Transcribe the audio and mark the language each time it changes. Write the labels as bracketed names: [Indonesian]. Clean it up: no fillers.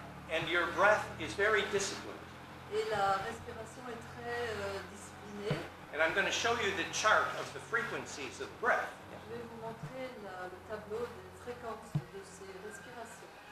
[English] And your breath is very disciplined. [French] Et la respiration est très disciplinée. [English] And I'm going to show you the chart of the frequencies of breath. [French] Je vais vous montrer le tableau des fréquences de ces respirations.